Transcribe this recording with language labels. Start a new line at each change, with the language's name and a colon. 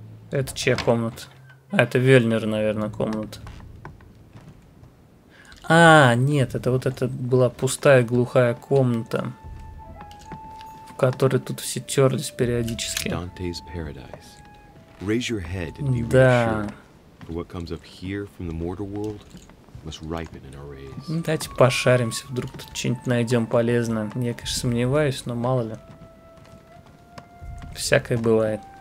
Russian: Это чья комната? А, это Вельнер, наверное, комната. А, нет, это вот это была пустая глухая комната, в которой тут все терлись периодически.
English: Dante's Paradise. Raise your head and be reassured. What comes up here from the mortal world must ripen in our rays.
Russian: Давайте пошаримся, вдруг тут что-нибудь найдем полезное. Я, конечно, сомневаюсь, но мало ли. Всякое бывает.